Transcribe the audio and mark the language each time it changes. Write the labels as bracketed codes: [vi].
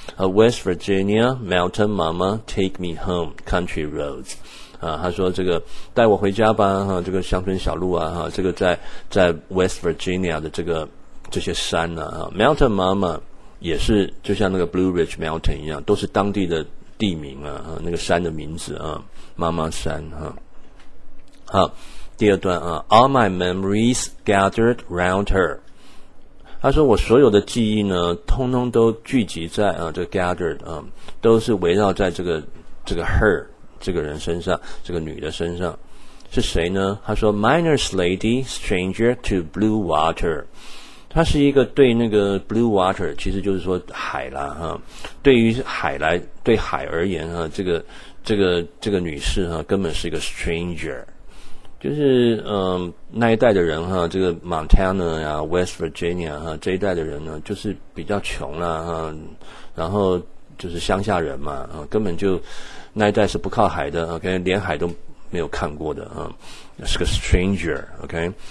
[en] West Virginia mountain mama take me home country roads， [zh] 他说这个带我回家吧哈，这个乡村小路啊哈，这个在 West Virginia 的这些山呢哈 ，mountain mama。也是就像那个 Blue Ridge Mountain 一样，都是当地的地名啊，那个山的名字啊，妈妈山哈。好，第二段啊 ， [en] All my memories gathered round her。 [zh] 他说我所有的记忆呢，通通都聚集在这个 gathered 啊，都是围绕在这个 her 这个人身上，这个女的身上。是谁呢？ [en] 他说 ，Miner's lady, stranger to blue water。 [zh] 他是一个对那个 blue water， 其实就是说海啦哈，对于海而言哈，这个女士哈，根本是一个 stranger， 就是那一代的人哈，这个 Montana 呀、West Virginia 哈，这一代的人呢，就是比较穷啦哈，然后就是乡下人嘛啊，根本就那一代是不靠海的 ，OK， 连海都没有看过的啊，是个 stranger，OK，、okay?